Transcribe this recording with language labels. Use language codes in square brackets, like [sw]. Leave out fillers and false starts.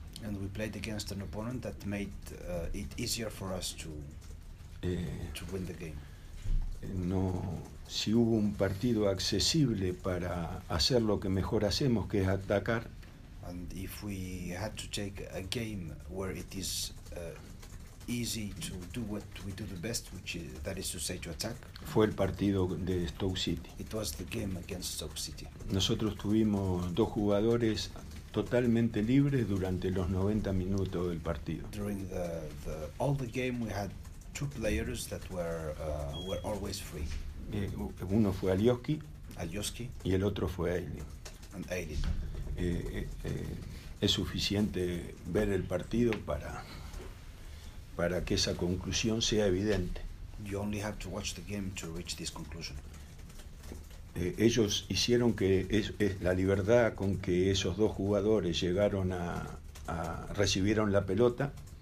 [en] And we played against an opponent that made it easier for us to win the game. [es] No, si hubo un partido accesible para hacer lo que mejor hacemos, que es atacar. [en] And if we had to take a game where it is easy to do what we do the best, which is, that is to say, to attack. [es] Fue el partido de Stoke City. [en] It was the game against Stoke City. [es] Nosotros tuvimos dos jugadores totalmente libres durante los 90 minutos del partido. [en] During the game, we had two players that were always free. [es] Uno fue Alioski. [en] Alioski. [es] Y el otro fue Aylin. [en] And Aylin. [es] Es suficiente ver el partido para que esa conclusión sea evidente. [en] You only have to watch the game to reach this conclusion. [es] Ellos hicieron que es la libertad con que esos dos jugadores llegaron a recibieron la pelota.